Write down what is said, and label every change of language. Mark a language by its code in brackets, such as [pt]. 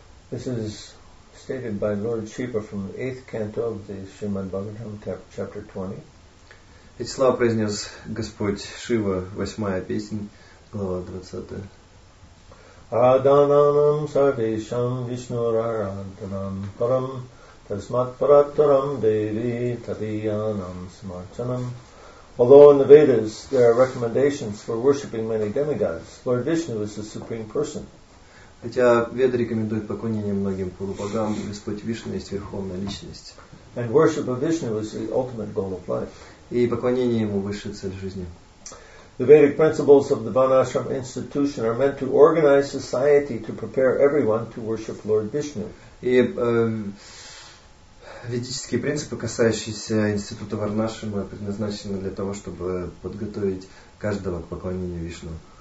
[en] This is stated by Lord Shiva from the 8th canto of the Srimad Bhagavatam, chapter 20. [ru] Эти слова произнес Господь Шива, 8-я песня, глава 20-я. [sa] Adhananam sarvesham vishnurarantanam param tasmat parataram devi tadiyanam smarchanam. [en] Although in the Vedas there are recommendations for worshipping many demigods, Lord Vishnu is the Supreme Person. [ru] Хотя Веды рекомендуют поклонение многим полубогам, Господь Вишну есть Верховная Личность. [en] And worship of Vishnu is the ultimate goal of life. [ru] И поклонение Ему высшая цель жизни. [en] The Vedic principles of the Vanashram institution are meant to organize society to prepare everyone to worship Lord Vishnu. [ru] И ведические принципы, касающиеся института Варнашрама, предназначены для того, чтобы подготовить каждого к поклонению Вишну.